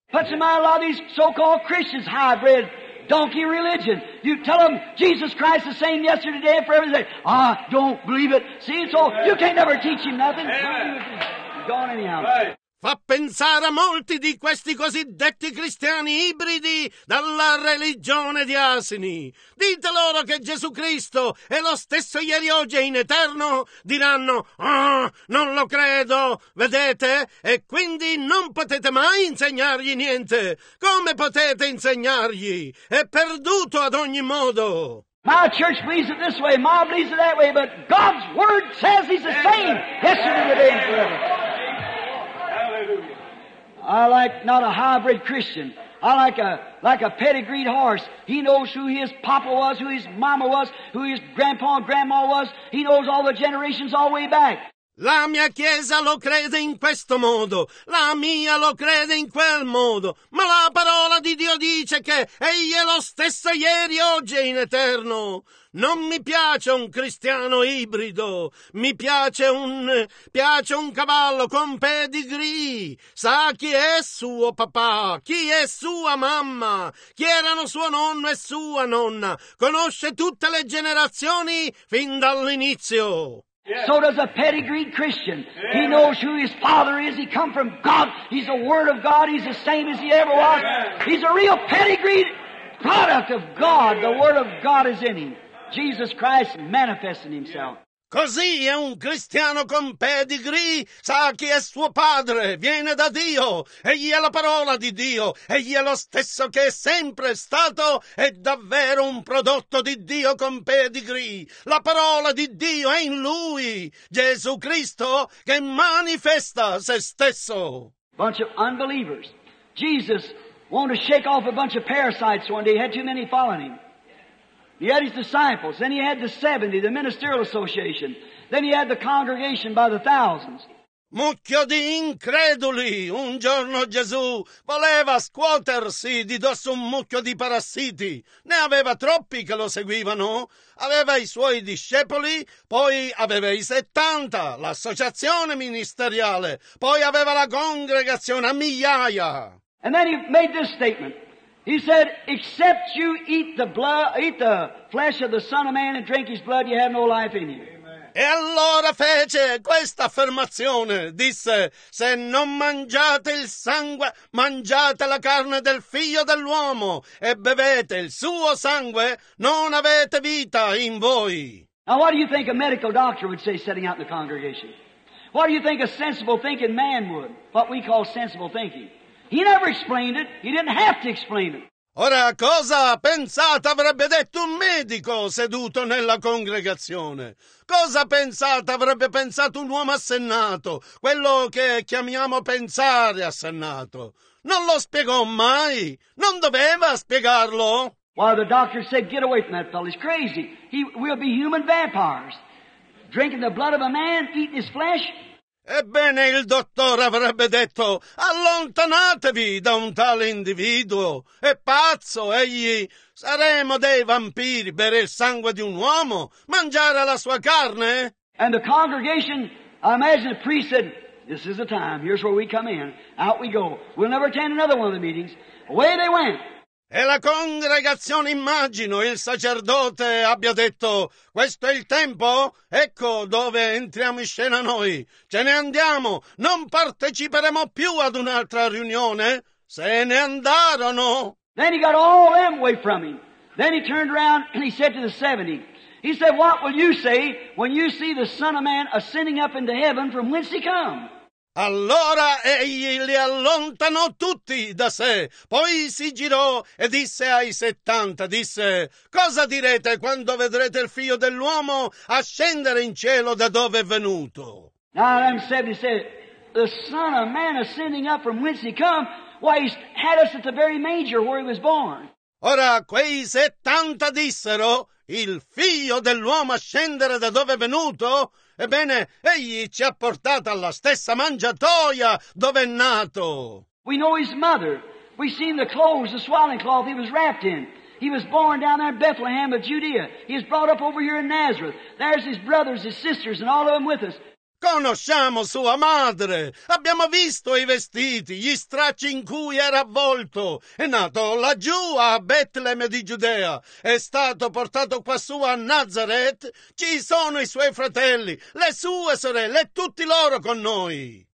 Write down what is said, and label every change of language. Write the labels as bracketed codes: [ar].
[en] Puts him out a lot of these so-called Christians hybrid donkey religion. You tell them Jesus Christ the same yesterday, today, and forever. They say, I don't believe it. See, so you can't never teach him nothing. Amen. Gone anyhow. [it] Fa pensare a molti di questi cosiddetti cristiani ibridi dalla religione di asini. Dite loro che Gesù Cristo è lo stesso ieri, oggi e in eterno. Diranno, non lo credo, vedete? E quindi non potete mai insegnargli niente. Come potete insegnargli? È perduto ad ogni modo. [en] My church believes it this way, my believes it that way, but God's word says he's the same yesterday, today, and forever. I like not a hybrid Christian. I like a pedigreed horse. He knows who his papa was, who his mama was, who his grandpa and grandma was. He knows all the generations all the way back. [it] La mia chiesa lo crede in questo modo, la mia lo crede in quel modo, ma la parola di Dio dice che egli è lo stesso ieri, oggi e in eterno. Non mi piace un cristiano ibrido, mi piace un cavallo con pedigree. Sa chi è suo papà, chi è sua mamma, chi erano suo nonno e sua nonna. Conosce tutte le generazioni fin dall'inizio. [en] So does a pedigreed Christian. He knows who his father is. He come from God. He's the Word of God. He's the same as he ever was. He's a real pedigreed product of God. The Word of God is in him. Jesus Christ manifesting himself. [it] Così è un cristiano con pedigree, sa chi è suo padre, viene da Dio, egli è la parola di Dio, egli è lo stesso che è sempre stato, è davvero un prodotto di Dio con pedigree. La parola di Dio è in lui, Gesù Cristo, che manifesta se stesso. [en] Bunch of unbelievers. Jesus wanted to shake off a bunch of parasites one day, he had too many following him. He had his disciples, then he had the 70, the ministerial association, then he had the congregation by the thousands. [it] Mucchio di increduli, un giorno Gesù voleva scuotersi di dosso un mucchio di parassiti, ne aveva troppi che lo seguivano, aveva i suoi discepoli, poi aveva i 70, l'associazione ministeriale, poi aveva la congregazione a migliaia. [en] And then he made this statement, He said, except you eat the blood, eat the flesh of the Son of Man and drink his blood, you have no life in you. [it] E allora fece questa affermazione, disse, se non mangiate il sangue, mangiate la carne del figlio dell'uomo e bevete il suo sangue, non avete vita in voi. [en] Now what do you think a medical doctor would say sitting out in the congregation? What do you think a sensible thinking man would, what we call sensible thinking? He never explained it, he didn't have to explain it. [it] Ora, cosa pensate avrebbe detto un medico seduto nella congregazione? Cosa pensate avrebbe pensato un uomo assennato, quello che chiamiamo pensare assennato? Non lo spiegò mai? Non doveva spiegarlo? [en] Well, the doctor said, get away from that fellow, he's crazy. He will be human vampires. Drinking the blood of a man, eating his flesh. [it] Ebbene, il dottore avrebbe detto, allontanatevi da un tale individuo, è pazzo, egli, saremo dei vampiri, bere il sangue di un uomo, mangiare la sua carne. [en] And the congregation, I imagine the priest said, this is the time, here's where we come in, out we go, we'll never attend another one of the meetings, away they went. [it] E la congregazione, immagino, il sacerdote abbia detto, questo è il tempo, ecco dove entriamo in scena noi, ce ne andiamo, non parteciperemo più ad un'altra riunione, se ne andarono. [en] Then he got all them away from him. Then he turned around and he said to the 70, he said, what will you say when you see the Son of Man ascending up into heaven from whence he come? [it] Allora egli li allontanò tutti da sé, poi si girò e disse ai 70, disse, cosa direte quando vedrete il figlio dell'uomo ascendere in cielo da dove è venuto? [en] Now them 70 said, the Son of Man ascending up from whence he come, why he had us at the very manger where he was born. [it] Ora quei 70 dissero, il figlio dell'uomo ascendere da dove è venuto? Ebbene, egli ci ha portato alla stessa mangiatoia dove è nato. [en] We know his mother. We've seen the clothes, the swaddling cloth he was wrapped in. He was born down there in Bethlehem of Judea. He was brought up over here in Nazareth. There's his brothers, his sisters, and all of them with us. [it] Conosciamo sua madre. Abbiamo visto i vestiti, gli stracci in cui era avvolto. È nato laggiù a Betlehem di Giudea. È stato portato quassù a Nazareth. Ci sono i suoi fratelli, le sue sorelle, tutti loro con noi.